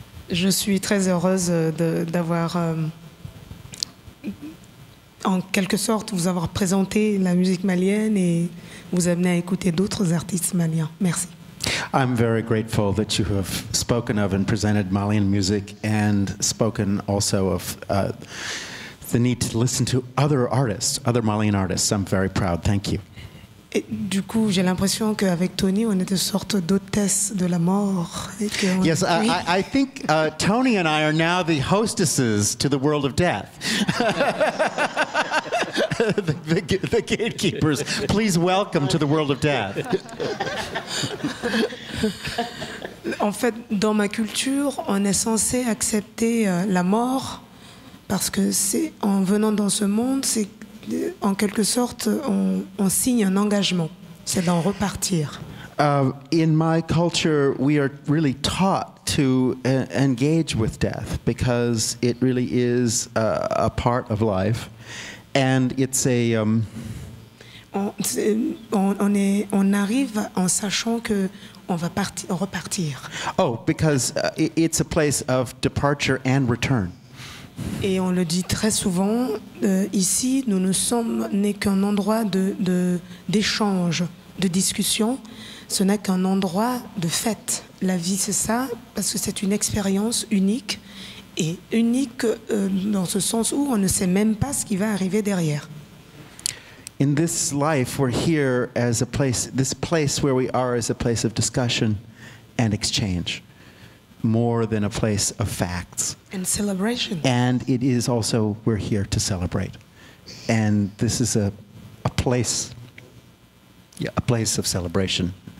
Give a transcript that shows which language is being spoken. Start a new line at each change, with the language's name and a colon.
French: Je suis très heureuse d'avoir, en quelque sorte, vous avoir présenté la musique malienne et vous amener à écouter d'autres artistes maliens. Merci.
English: I'm very grateful that you have spoken of and presented Malian music and spoken also of the need to listen to other artists, other Malian artists. I'm very proud. Thank you.
French: Et du coup, j'ai l'impression qu'avec Toni, on est une sorte d'hôtesse de la mort.
English: Yes, I think Toni and I are now the hostesses to the world of death. the gatekeepers, please welcome to the world of death.
French: En fait, dans ma culture, on est censé accepter la mort parce que c'est en venant dans ce monde, c'est en quelque sorte, on signe un engagement, c'est d'en repartir.
English: In my culture, we are really taught to engage with death because it really is a part of life, and it's a.
French: On arrive en sachant que on va repartir.
English: Oh, because it's a place of departure and return.
French: Et on le dit très souvent, ici, nous ne sommes n'est qu'un endroit d'échange, de discussion. Ce n'est qu'un endroit de fête. La vie, c'est ça, parce que c'est une expérience unique, et unique dans ce sens où on ne sait même pas ce qui va arriver derrière.
English: In this life, we're here as a place, this place where we are is a place of discussion and exchange, more than a place of facts. And celebration. And it is also, we're here to celebrate. And this is a place, yeah, a place of celebration.